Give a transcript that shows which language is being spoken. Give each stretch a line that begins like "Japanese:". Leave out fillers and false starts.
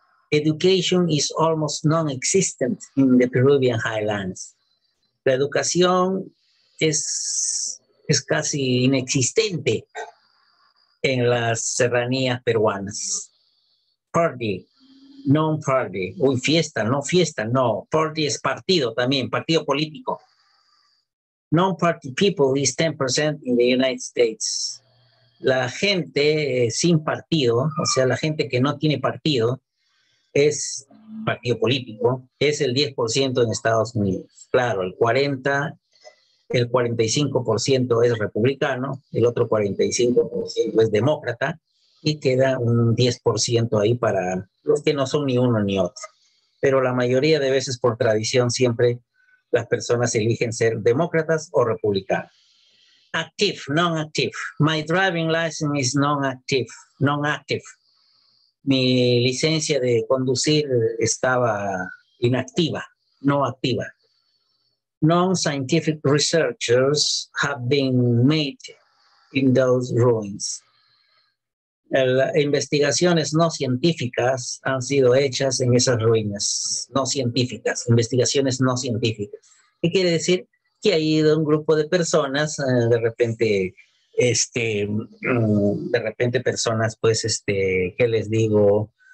English: Education is almost non-existent in the Peruvian highlands.
Spanish: La educación es casi inexistente en las serranías peruanas. Party, non-party. Uy, fiesta, no. Party es partido también, partido político.
English: Non-party people is 10% in the United States.
Spanish: La gente sin partido, o sea, la gente que no tiene partido, es partido político, es el 10% en Estados Unidos. Claro, el 40%, el 45% es republicano, el otro 45% es demócrata, y queda un 10% ahí para los que no son ni uno ni otro. Pero la mayoría de veces, por tradición, siempre las personas eligen ser demócratas o republicanos.
English: Active, non-active. My driving license is non-active, non-active.
Spanish: Mi licencia de conducir estaba inactiva, no activa.
English: Non-scientific researchers have been made in those ruins.
Spanish: Investigaciones no científicas han sido hechas en esas ruinas. No científicas, investigaciones no científicas. ¿Qué quiere decir? Que ha ido un grupo de personas, de repente personas, pues, ¿qué les digo?